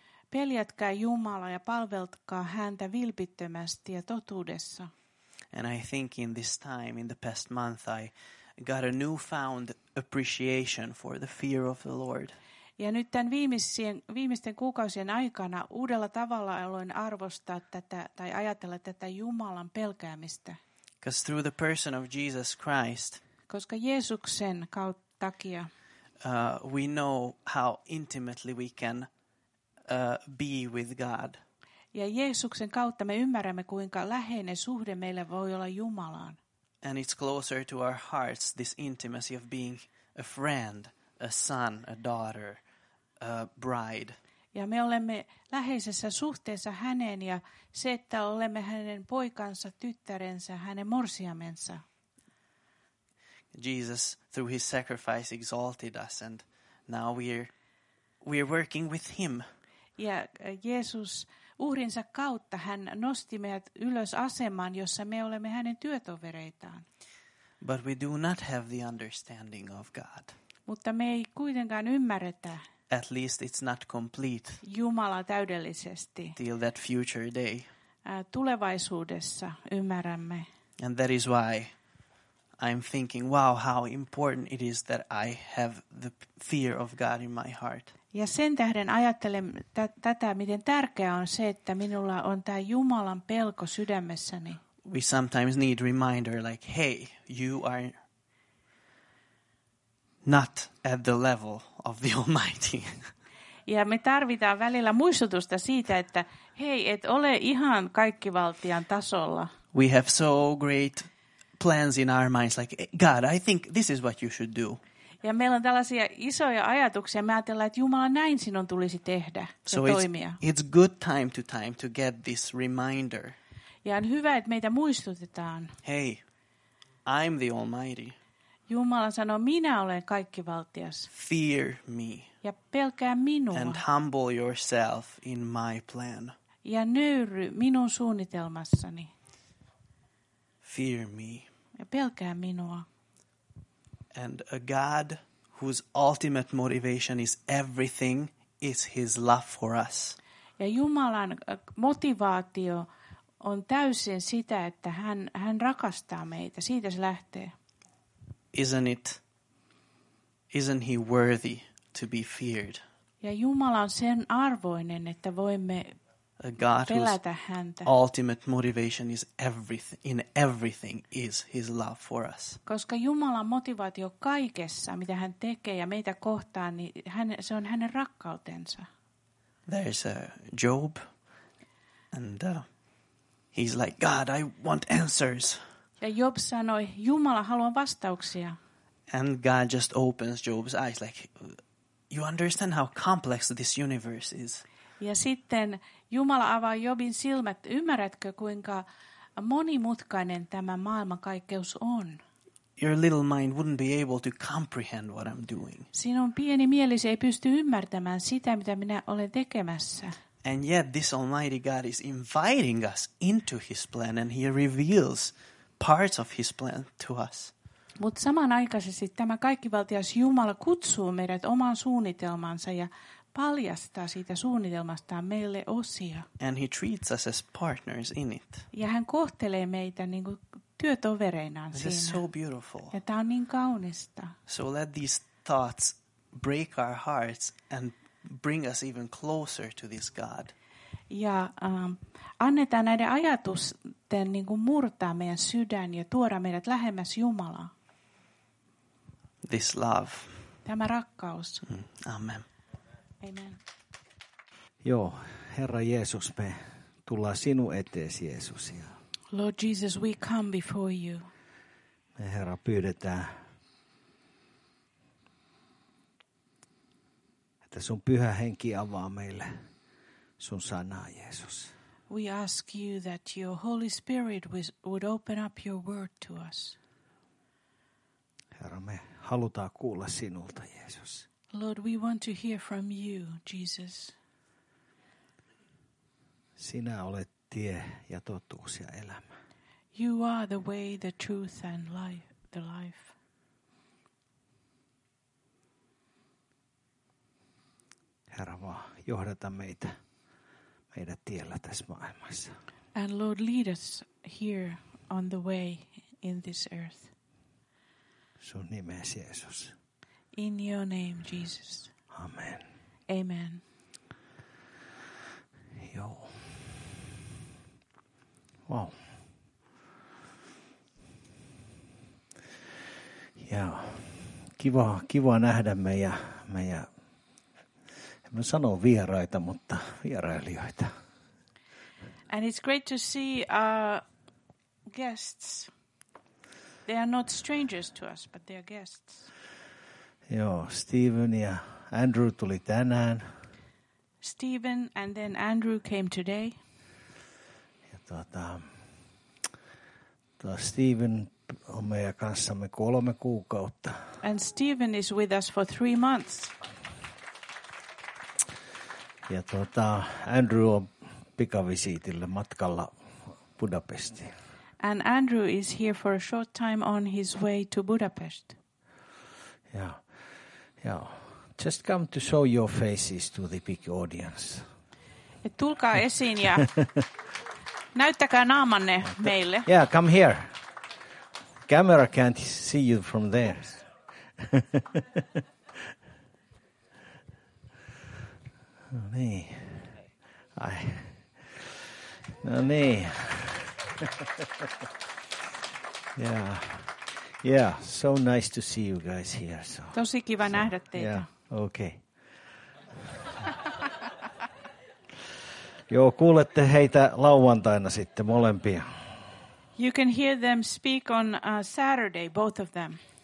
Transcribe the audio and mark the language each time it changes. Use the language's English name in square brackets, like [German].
[Finnish] Peljätkää Jumalaa ja palveltakaa häntä vilpittömästi ja totuudessa. [English] And I think in this time, in the past month, I got a newfound appreciation for the fear of the Lord. [Finnish] Ja nyt tämän viimeisten kuukausien aikana uudella tavalla aloin arvostaa tätä tai ajatella tätä Jumalan pelkäämistä. [English] Because through the person of Jesus Christ, [Finnish] koska Jeesuksen takia, [English] we know how intimately we can be with God. [Finnish] Ja Jeesuksen kautta me ymmärrämme, kuinka läheinen suhde meillä voi olla Jumalaan. [English] And it's closer to our hearts, this intimacy of being a friend, a son, a daughter, a bride. [Finnish] Ja me olemme läheisessä suhteessa häneen ja se, että olemme hänen poikansa, tyttärensä, hänen morsiamensa. [English] Jesus, through his sacrifice, exalted us and now we're working with him. [Finnish] Ja Jeesus uhrinsa kautta hän nosti meidät ylös asemaan, jossa me olemme hänen työtovereitaan. [English] But we do not have the understanding of God. [Finnish] Mutta me ei kuitenkaan ymmärretä. [English] At least it's not complete. [Finnish] Jumala täydellisesti. [English] Till that future day. [Finnish] Tulevaisuudessa ymmärrämme. [English] And that is why I'm thinking, wow, how important it is that I have the fear of God in my heart. [Finnish] Ja sen tähden ajattelen tätä, miten tärkeää on se, että minulla on tämä Jumalan pelko sydämessäni. [English] We sometimes need reminder like, hey, you are not at the level of the Almighty. [Finnish] Ja me tarvitaan välillä muistutusta siitä, että hei, et ole ihan kaikkivaltian tasolla. [English] We have so great plans in our minds like, God, I think this is what you should do. [Finnish] Ja meillä on tällaisia isoja ajatuksia. Me ajatellaan, että Jumala, näin sinun tulisi tehdä [English] so [Finnish] ja toimia. [English] It's good time to time to get this reminder. [Finnish] Ja on hyvä, että meitä muistutetaan. [English] Hey, I'm the Almighty. [Finnish] Jumala sanoo, minä olen kaikkivaltias. [English] Fear me. [Finnish] Ja pelkää minua. [English] And humble yourself in my plan. [Finnish] Ja nöyry minun suunnitelmassani. [English] Fear me. [Finnish] Ja pelkää minua. [English] And a God whose ultimate motivation is everything is his love for us. [Finnish] Ja Jumalan motivaatio on täysin sitä, että hän rakastaa meitä. Siitä se lähtee. [English] Isn't he worthy to be feared? [Finnish] Ja Jumala on sen arvoinen, että voimme [English] a God [Finnish] pelätä [English] whose [Finnish] häntä. [English] Ultimate motivation is everything. In everything is his love for us. [Finnish] Koska Jumalan motivaatio kaikessa, mitä hän tekee ja meitä kohtaan, niin hän, se on hänen rakkautensa. [English] There's a Job, and he's like, God, I want answers. [Finnish] Ja Job sanoi, Jumala, haluan vastauksia. [English] And God just opens Job's eyes like, you understand how complex this universe is. [Finnish] Ja sitten Jumala avaa Jobin silmät. Ymmärrätkö, kuinka monimutkainen tämä maailmankaikkeus on? [English] Your little mind wouldn't be able to comprehend what I'm doing. [Finnish] Sinun pieni mielisi ei pysty ymmärtämään sitä, mitä minä olen tekemässä. [English] And yet this Almighty God is inviting us into his plan and he reveals parts of his plan to us. [Finnish] Mutta samanaikaisesti tämä kaikkivaltias Jumala kutsuu meidät oman suunnitelmansa ja paljastaa siitä suunnitelmastaan meille osia. [English] And he treats us as partners in it. [Finnish] Ja hän kohtelee meitä niin kuin työtovereinaan [English] this [Finnish] siinä. [English] This is so beautiful. [Finnish] Ja tämä on niin kaunista. [English] So let these thoughts break our hearts and bring us even closer to this God. [Finnish] Ja annetaan näiden ajatusten niin kuin murtaa meidän sydän ja tuoda meidät lähemmäs Jumalaa. [English] This love. [Finnish] Tämä rakkaus. [English] Amen. [Finnish] Amen. Joo, Herra Jeesus, me tullaan sinun eteesi, Jeesus. [English] Lord Jesus, we come before you. [Finnish] Me, Herra, pyydetään, että sun pyhä henki avaa meille sun sanaa, Jeesus. [English] We ask you that your Holy Spirit would open up your word to us. [Finnish] Herra, me halutaan kuulla sinulta, Jeesus. [English] Lord, we want to hear from you, Jesus. [Finnish] Sinä olet tie ja totuus ja elämä. [English] You are the way, the truth and life, the life. [Finnish] Herra, vaan johdata meitä meidän tiellä tässä maailmassa. [English] And Lord, lead us here on the way in this earth. [Finnish] Sun nimesi, Jeesus. [English] In your name, Jesus. [Finnish] Amen. [English] Amen. [Finnish] Joo. [English] Wow. [Finnish] Joo. Kiva nähdä meidän en sano vieraita, mutta vierailijoita. [English] And it's great to see our guests. They are not strangers to us, but they are guests. [Finnish] Joo, Stephen ja Andrew tuli tänään. [English] Stephen and then Andrew came today. [Finnish] Ja Stephen on meidän kanssamme 3 kuukautta. [English] And Stephen is with us for 3 months. [Finnish] Ja Andrew on pikavisiitillä matkalla Budapestiin. [English] And Andrew is here for a short time on his way to Budapest. Yeah. Yeah. Just come to show your faces to the big audience. [Finnish] Et tulkaa esiin ja näyttäkää naamanne meille. [English] Yeah, come here. Camera can't see you from there. [Finnish] No niin. Ai. No niin. [English] Yeah. Yeah, so nice to see you guys here. So. [Finnish] Tosi kiva nähdä teitä. [English] Yeah. Okay. [Finnish] Joo, kuulette heitä lauantaina sitten molempia. [English] You can hear them speak on Saturday, both of them.